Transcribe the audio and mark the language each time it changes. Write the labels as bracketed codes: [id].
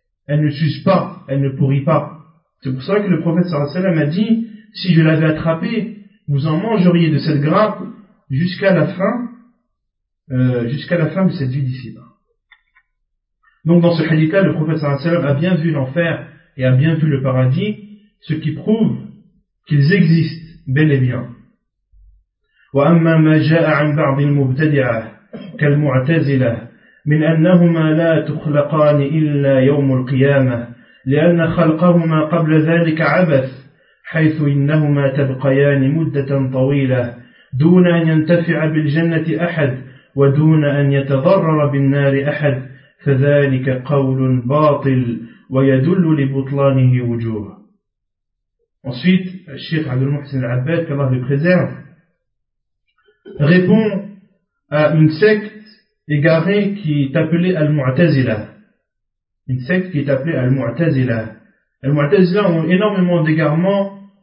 [fr] Elle ne s'use pas, elle ne pourrit pas. C'est pour ça que le prophète sallallahu alayhi wa sallam a dit: si je l'avais attrapé, vous en mangeriez de cette grappe jusqu'à la fin de cette vie d'ici-bas. Donc dans ce hadith-là, le prophète sallallahu alayhi wa sallam a bien vu l'enfer et a bien vu le paradis, ce qui prouve qu'ils existent bel et bien. [ar] وأما ما جاء عن بعض المبتدعة كالمعتزلة من أنهما لا تخلقان إلا يوم القيامة لأن خلقهما قبل ذلك عبث حيث إنهما تبقيان مدة طويلة دون أن ينتفع بالجنة أحد ودون أن يتضرر بالنار أحد فذلك قول باطل ويدل لبطلانه وجوه. [fr] Ensuite, الشيخ عبد المحسن العباد كالله بيبريزيرف répond à une secte égarée qui est appelée Al-Mu'tazila. Une secte qui est appelée Al-Mu'tazila. Al-Mu'tazila ont énormément d'égarements.